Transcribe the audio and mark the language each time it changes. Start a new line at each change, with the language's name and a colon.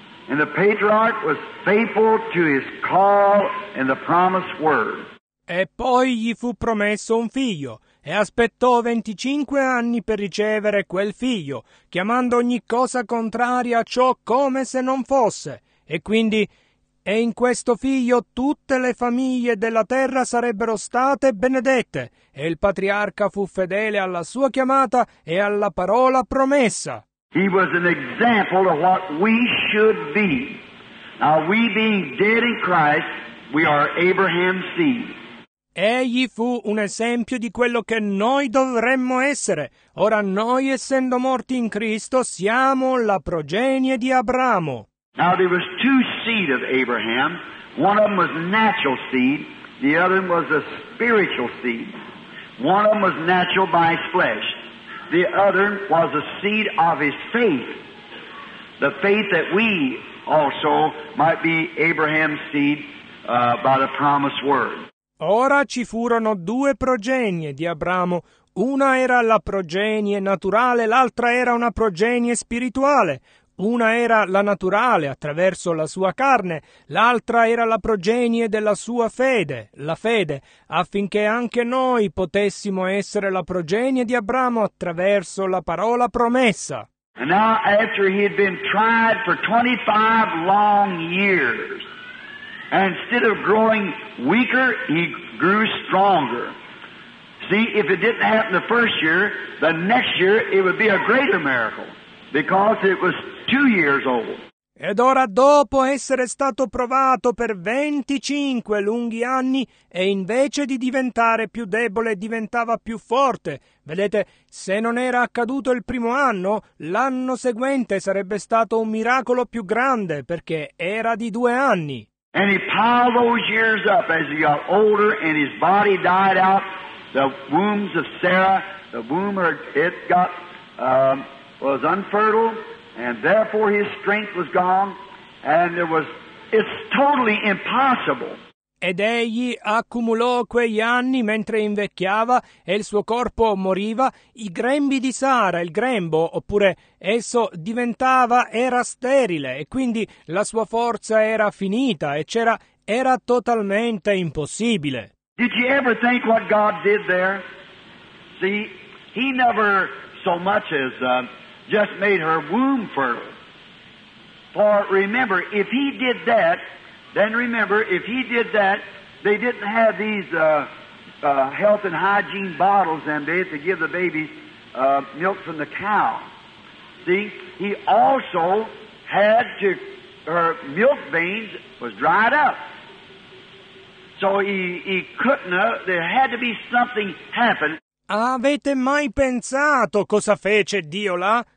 English: And the patriarch was faithful to his call and the promised word.
Italian: E poi gli fu promesso un figlio, e aspettò 25 anni per ricevere quel figlio, chiamando ogni cosa contraria a ciò come se non fosse. E quindi, e in questo figlio tutte le famiglie della terra sarebbero state benedette, e il patriarca fu fedele alla sua chiamata e alla parola promessa.
English: He was an example of what we should be. Now we being dead in Christ, we are Abraham's seed.
Italian: Egli fu un esempio di quello che noi dovremmo essere. Ora noi, essendo morti in Cristo, siamo la progenie di Abramo.
English: Now there was two seed of Abraham. One of them was natural seed. The other was a spiritual seed. One of them was natural by his flesh. The other was a seed of his faith. The faith that we also might be Abraham's seed by the promised word.
Italian: Ora ci furono due progenie di Abramo. Una era la progenie naturale, l'altra era una progenie spirituale. Una era la naturale, attraverso la sua carne, l'altra era la progenie della sua fede, la fede, affinché anche noi potessimo essere la progenie di Abramo attraverso la parola promessa.
English: And now, after he had been tried for 25 long years, and instead of growing weaker, he grew stronger. See, if it didn't happen the first year, the next year it would be a greater miracle, because it was 2 years old.
Italian: Ed ora, dopo essere stato provato per 25 lunghi anni, e invece di diventare più debole, diventava più forte. Vedete, se non era accaduto il primo anno, l'anno seguente sarebbe stato un miracolo più grande, perché era di 2 anni.
English: And he piled those years up as he got older and his body died out. The wombs of Sarah, the womb it got, was unfertile, and therefore his strength was gone, and it's totally impossible.
Italian: Ed egli accumulò quegli anni mentre invecchiava e il suo corpo moriva. I grembi di Sara, il grembo, oppure esso diventava, era sterile, e quindi la sua forza era finita e era totalmente impossibile.
English: Did you ever think what God did there? See, he never so much as just made her womb fertile. For remember, if he did that, then remember, if he did that, they didn't have these health and hygiene bottles then, they had to give the babies milk from the cow. See, he also had to, her milk veins was dried up. So he couldn't, there had to be something happen.
Italian: Avete mai pensato cosa fece Dio là?